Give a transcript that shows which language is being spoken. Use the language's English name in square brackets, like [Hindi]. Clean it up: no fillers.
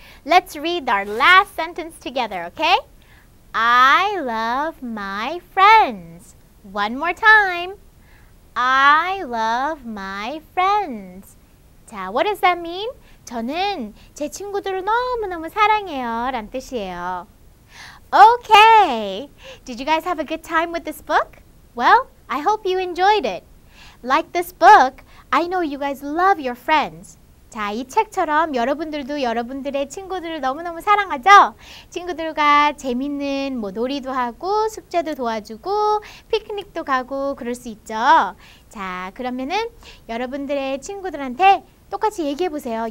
[English] Let's read our last sentence together, okay? I love my friends. One more time. I love my friends. 자, what does that mean? [Korean] 저는 제 친구들을 너무너무 사랑해요. 라는 뜻이에요. Okay. [English] Did you guys have a good time with this book? Well, I hope you enjoyed it. Like this book, I know you guys love your friends. [Korean] 자, 이 책처럼 여러분들도 여러분들의 친구들을 너무너무 사랑하죠? 친구들과 재밌는 뭐 놀이도 하고 숙제도 도와주고 피크닉도 가고 그럴 수 있죠? 자, 그러면은 여러분들의 친구들한테 똑같이 얘기해 보세요.